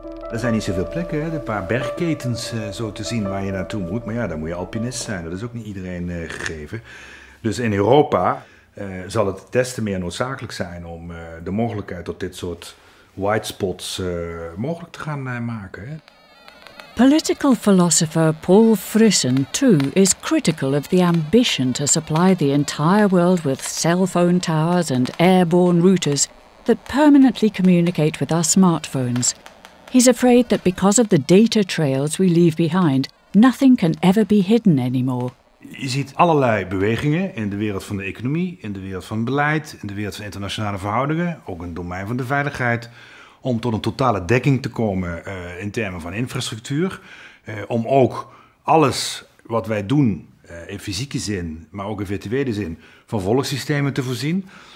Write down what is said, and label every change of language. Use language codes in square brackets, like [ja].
[nl] Er zijn niet zoveel plekken, een paar bergketens zo te zien waar je naartoe moet. Maar ja, dan moet je alpinist zijn, dat is ook niet iedereen gegeven. Dus in Europa zal het des te meer noodzakelijk zijn om de mogelijkheid tot dit soort white spots mogelijk te gaan maken. [en] Political philosopher Paul Frisson too is critical of the ambition to supply the entire world with cell phone towers and airborne routers that permanently communicate with our smartphones. He's afraid that because of the data trails we leave behind, nothing can ever be hidden anymore. [nl] Je ziet allerlei bewegingen in de wereld van de economie, in de wereld van beleid, in de wereld van internationale verhoudingen, ook in het domein van de veiligheid, om tot een totale dekking te komen in termen van infrastructuur. Om ook alles wat wij doen in fysieke zin, maar ook in virtuele zin, van volkssystemen te voorzien.